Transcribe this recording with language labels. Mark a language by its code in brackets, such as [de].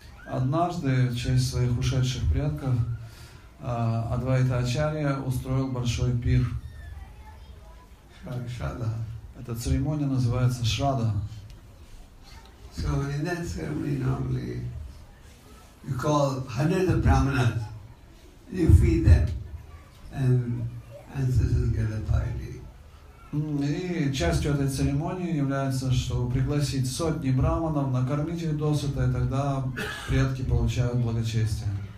[ru] Однажды, в честь своих ушедших предков, Адвайта Ачарья устроил большой пир. Шрада. Эта церемония называется Шрада. [en] So in that ceremony normally you call hundreds of brahmanas, you feed them, and ancestors get a party. [ru] И частью этой церемонии является, что пригласить сотни брахманов, накормить их досыта, и тогда предки получают благочестие.